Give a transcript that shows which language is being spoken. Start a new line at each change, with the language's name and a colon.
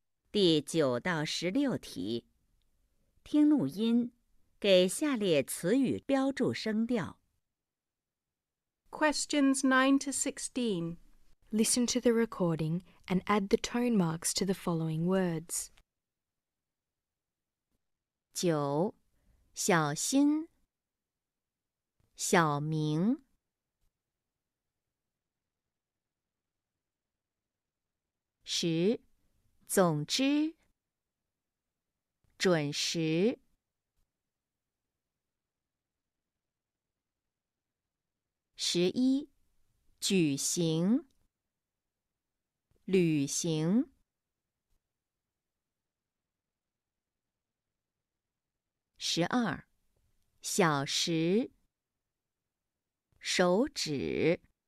Chinese: 第9到16题 听录音给下列词语标注声调
English: Questions 9 to 16. Listen to the recording and add the tone marks to the following words.
Chinese: 九, 小心, 小明, 十, 总之, 准时, 十一, 举行, 旅行, 十二, 小时, 手指,